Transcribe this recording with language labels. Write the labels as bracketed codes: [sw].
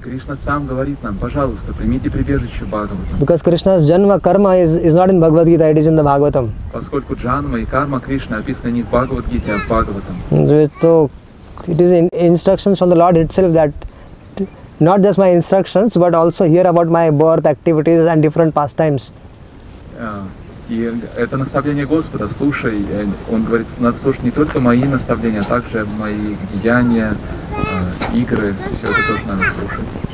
[ru] Krishna сам говорит нам, пожалуйста, примите прибежище Бхагаватам. [en] Because Krishna's Janma Karma is not in Bhagavad Gita, it is in the Bhagavatam. [ru] Поскольку Janma и Karma Krishna описаны не в Bhagavad Gita, а в Bhagavatam. [en] It is instructions from the Lord itself that not just my instructions but also hear about my birth activities and different pastimes. [ru] И это наставление Господа, слушай, он говорит, надо слушать не только мои наставления, а также мои деяния, игры, все это тоже надо слушать.